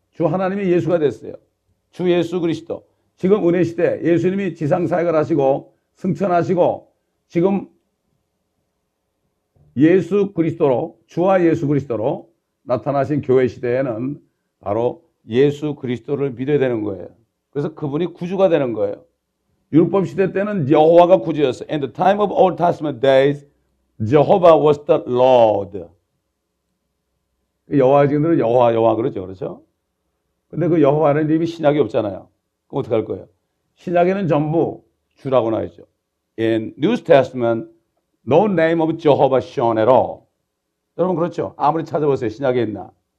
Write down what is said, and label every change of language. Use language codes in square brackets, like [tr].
[ko] 주 하나님이 예수가 됐어요. 주 예수 그리스도. 지금 은혜시대 예수님이 지상사역을 하시고 승천하시고 지금 예수 그리스도로, 주와 예수 그리스도로 나타나신 교회시대에는 바로 예수 그리스도를 믿어야 되는 거예요. 그래서 그분이 구주가 되는 거예요. 율법 시대 때는 여호와가 구주였어. [en] In the time of Old Testament days, Jehovah was the Lord. [ko] 여호와의 증인들은 여호와, 여호와 그러죠. 그렇죠? 근데 그 여호와는 이미 신약이 없잖아요. 그럼 어떡할 거예요? 신약에는 전부 주라고 나와있죠. [en] In New Testament, no name of Jehovah shone at all. [ko] 여러분 그렇죠? 아무리 찾아보세요. 신약에 있나?